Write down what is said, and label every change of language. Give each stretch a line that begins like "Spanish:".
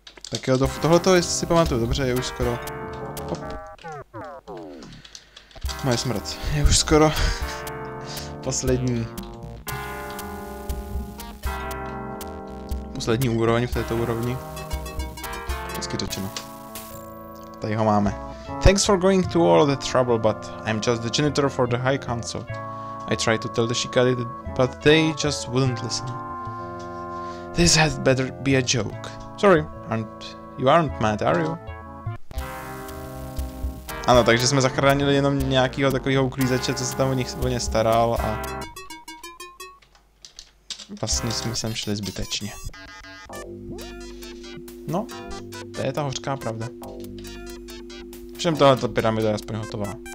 Czech: Tak jo, tohleto, jestli si pamatuju dobře, je už skoro... Hop. Moje smrt. Je už skoro... poslední. Poslední úroveň v této úrovni. Hezky řečeno. Tady ho máme.
English: Thanks for going to all the trouble, but I'm just the janitor for the High Council. I tried to tell the Shikari, but they just wouldn't listen. This had better be a joke. Sorry, you aren't mad, are you?
Czech: Ano, takže jsme zachránili jenom nějakého takového uklízeče, co se tam o ně staral a... Vlastně jsme sem šli zbytečně. No, to je ta hořká pravda. Všem tohleto pyramida je aspoň hotová.